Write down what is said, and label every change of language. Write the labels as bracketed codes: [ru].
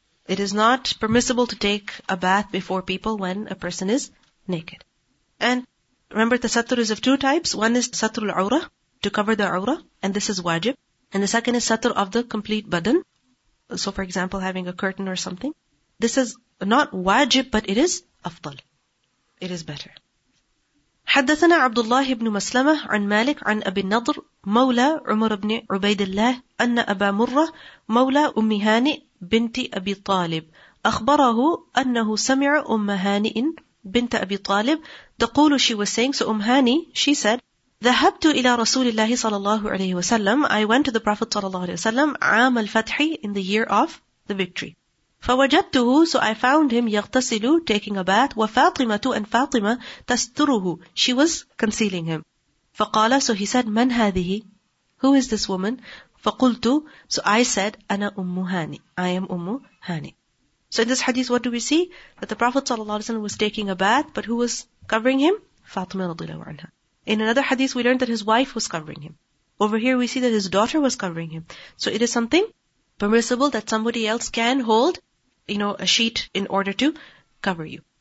[en] It is not permissible to take a bath before people when a person is naked. And remember, tasattur is of two types. One is satrul awra, to cover the awra, and this is wajib. And the second is satr of the complete badan. So for example, having a curtain or something. This is not wajib, but it is afdal. It is better. [ar] حدثنا عبد الله بن مسلمة عن مالك عن أبي النضر مولى عمر بن عبيد الله أن أبا مرة مولى أم هانئ بنت أبي طالب أخبره أنه سمع أم هانئ بنت أبي طالب تقول [en] she was saying, so [ar] أم هانئ, [en] she said, [ar] ذهبت إلى رسول الله صلى الله عليه وسلم, [en] I went to the Prophet [ar] صلى الله عليه وسلم عام الفتح [en] in the year of the victory. [ar] فوجدته, [en] so I found him [ar] يغتسل, [en] taking a bath, [ar] وفاطمة, [en] and فاطمة [ar] تستره, [en] she was concealing him. [ar] فقال, [en] so he said, [ar] من هذه, [en] who is this woman? [ar] فقلت, [en] so I said, [ar] أنا أم هاني, [en] I am أم هاني. So in this hadith, what do we see? That the Prophet ﷺ was taking a bath, but who was covering him? Fatima radhiyallahu anha. In another hadith, we learned that his wife was covering him. Over here, we see that his daughter was covering him. So it is something permissible that somebody else can hold, you know, a sheet in order to cover you.